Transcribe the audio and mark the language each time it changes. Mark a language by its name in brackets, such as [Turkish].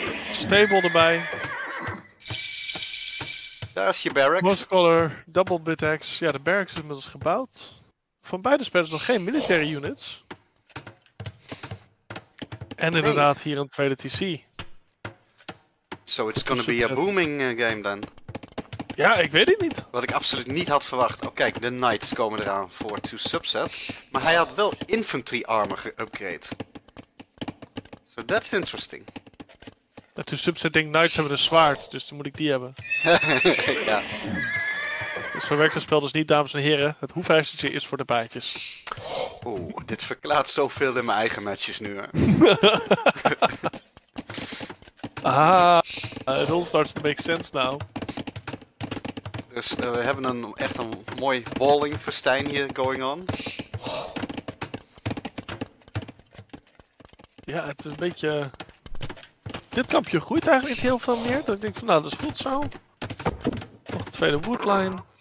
[Dutch] Stable erbij. Daar is je barracks. Muscolor, double bit axe. Ja, de barracks is inmiddels gebouwd. Van beide spelers nog geen military units. En inderdaad hier een tweede TC. [English] So it's gonna be a booming game then. [Dutch] Ja, ik weet het niet. Wat ik absoluut niet had verwacht. Oh kijk, de knights komen eraan voor 2 subsets. Maar hij had wel infantry armor geupgrade. [English] So that's interesting. [Dutch] En toen subset denkt, knights hebben een zwaard, dus dan moet ik die hebben. Ja. Dus zo werkt het spel dus niet, dames en heren. Het hoefijzertje is voor de bijtjes. Oeh, dit verklaart zoveel in mijn eigen matches nu, hè. [English] It all starts to make sense now. [Dutch] Dus we hebben echt een mooi walling festijn hier [English] going on. [Dutch] Ja, het is een beetje... Dit kampje groeit eigenlijk niet heel veel meer. Dat ik denk van nou, dat is goed zo. Nog een tweede woodline.